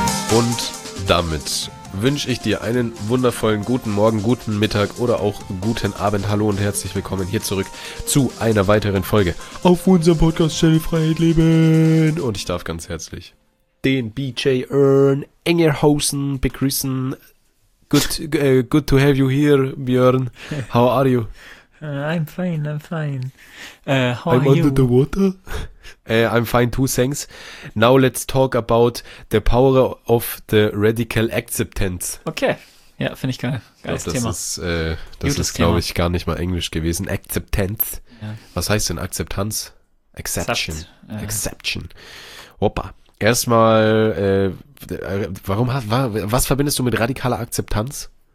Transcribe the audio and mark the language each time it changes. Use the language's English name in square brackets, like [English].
[German] Und damit wünsche ich dir einen wundervollen guten Morgen, guten Mittag oder auch guten Abend. Hallo und herzlich willkommen hier zurück zu einer weiteren Folge auf unserem Podcast Channel Freiheit Leben. Und ich darf ganz herzlich den BJ Earn Engerhausen begrüßen. [English] Good to have you here, Björn. How are you? I'm fine. I'm under the water. I'm fine too, thanks. Now let's talk about the power of the radical acceptance. [German] Okay. Ja, finde ich geil. Geiles Thema. Das ist glaube ich, gar nicht mal Englisch gewesen. Acceptance. Ja. Was heißt denn Akzeptanz? Exception. Exception. Hoppa. Erstmal, was verbindest du mit radikaler Akzeptanz?